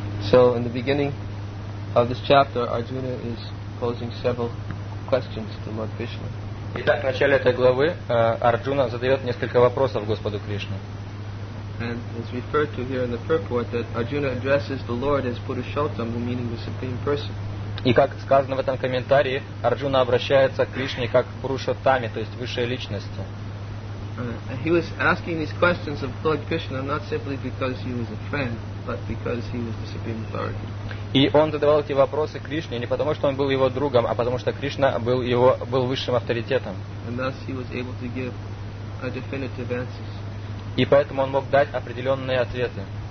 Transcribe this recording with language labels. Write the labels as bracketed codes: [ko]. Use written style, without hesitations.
[en] So in the beginning of this chapter, Arjuna is posing several questions to Lord Krishna. [ru] Итак, в начале этой главы Арджуна задает несколько вопросов Господу Кришне. [en] And it's referred to here in the purport that Arjuna addresses the Lord as Purushottama, meaning the Supreme Person. [ru] И как сказано в этом комментарии, Арджуна обращается к Кришне как к Пурушоттаме, то есть высшей личности. [en] He was asking these questions of Lord Krishna not simply because he was a friend, but because he was the supreme authority. [ru] И он задавал эти вопросы Кришне не потому, что он был его другом, а потому что Кришна был его был высшим авторитетом. [en] And thus he was able to give a definitive answers. [ru] И поэтому он мог дать определенные ответы.